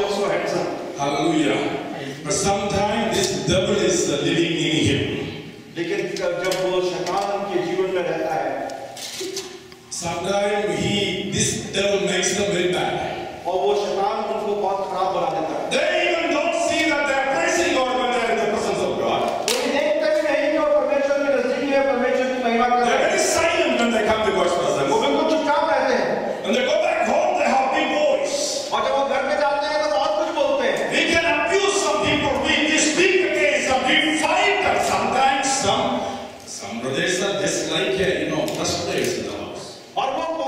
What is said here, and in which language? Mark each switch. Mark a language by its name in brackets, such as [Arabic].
[English] But sometimes this devil is living in him. [Hindi] लेकिन जब वो शैतान उनके जीवन में रहता है, [English] sometimes he this devil makes them very bad. [Hindi] और वो शैतान उनको बहुत खराब बना देता है. [English] They even don't see that they are praising God when they are in the presence of God. [Hindi] वो देखते भी नहीं कि वो परमेश्वर की नजदीक में परमेश्वर की महिमा कर रहे हैं. [English] They are very silent when they come to God's presence. [Hindi] वो बिल्कुल चुपचाप रहते हैं. [English] And they go back home, they have big voice. [Hindi] और जब वो घर में जाते हैं तो बहुत कुछ बोलते हैं. [English] They can abuse some people, we speak against them, we fight them. Sometimes some brothers are dislike, you know, frustrated.